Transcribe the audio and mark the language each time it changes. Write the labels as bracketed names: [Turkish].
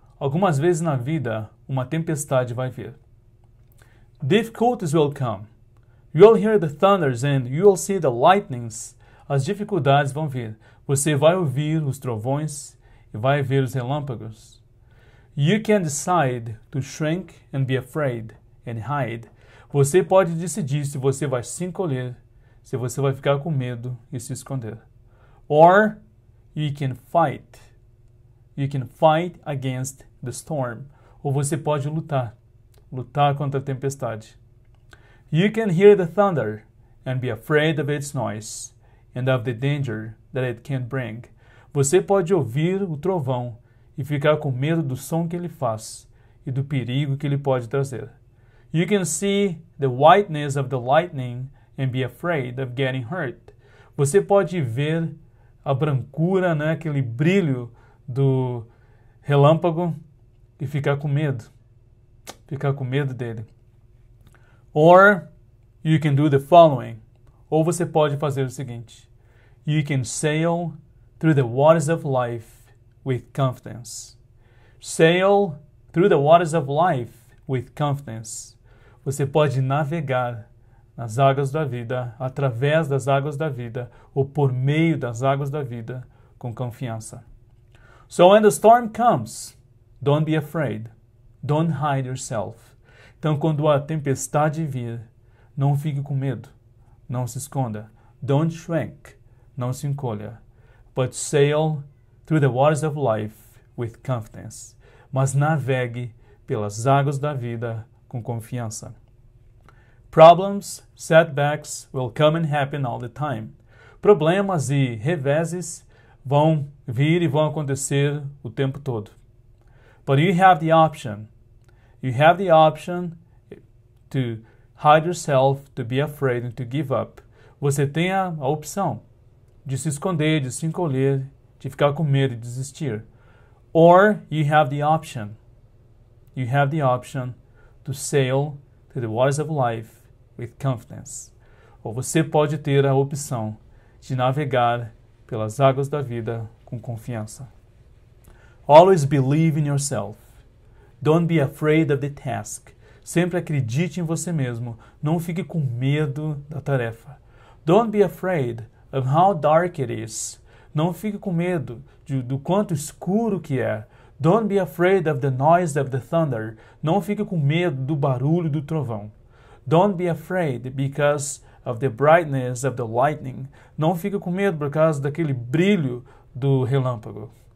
[Portuguese] Algumas vezes na vida, uma tempestade vai vir. [English] Difficulties will come. You'll hear the thunders and you'll see the lightnings. [Portuguese] As dificuldades vão vir. Você vai ouvir os trovões e vai ver os relâmpagos. [English] You can decide to shrink and be afraid and hide. [Portuguese] Você pode decidir se você vai se encolher, se você vai ficar com medo e se esconder. [English] Or you can fight. You can fight against the storm. [Portuguese] Ou você pode lutar. Lutar contra a tempestade. [English] You can hear the thunder and be afraid of its noise and of the danger that it can bring. [Portuguese] Você pode ouvir o trovão e ficar com medo do som que ele faz e do perigo que ele pode trazer. [English] You can see the whiteness of the lightning and be afraid of getting hurt. [Portuguese] Você pode ver a brancura, né, aquele brilho do relâmpago e ficar com medo. Ficar com medo dele. [English] Or you can do the following. [Portuguese] Ou você pode fazer o seguinte. [English] You can sail through the waters of life with confidence. Sail through the waters of life with confidence. [Portuguese] Você pode navegar nas águas da vida, através das águas da vida, ou por meio das águas da vida, com confiança. [English] So when the storm comes, don't be afraid. Don't hide yourself. [Portuguese] Então, quando a tempestade vir, não fique com medo. Não se esconda. [English] Don't shrink. [Portuguese] Não se encolha. [English] But sail through the waters of life with confidence. [Portuguese] Mas navegue pelas águas da vida com confiança. [English] Problems, setbacks will come and happen all the time. [Portuguese] Problemas e reveses vão vir e vão acontecer o tempo todo. [English] But you have the option. You have the option to hide yourself, to be afraid, and to give up. [Portuguese] Você tem a opção de se esconder, de se encolher, de ficar com medo e desistir. [English] Or you have the option. You have the option to sail through the waters of life with confidence. [Portuguese] Ou você pode ter a opção de navegar pelas águas da vida com confiança. [English] Always believe in yourself. Don't be afraid of the task. [Portuguese] Sempre acredite em você mesmo. Não fique com medo da tarefa. [English] Don't be afraid of how dark it is. [Portuguese] Não fique com medo do quanto escuro que é. [English] Don't be afraid of the noise of the thunder. [Portuguese] Não fique com medo do barulho do trovão. [English] Don't be afraid because of the brightness of the lightning. [Portuguese] Não fique com medo por causa daquele brilho do relâmpago.